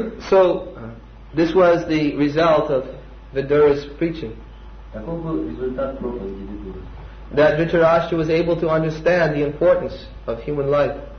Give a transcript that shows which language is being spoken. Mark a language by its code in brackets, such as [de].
[en] So, this was the result of Vidura's preaching. [ru] Таков был результат проповеди Видуры. [en] That Dhritarashtra was able to understand the importance of human life.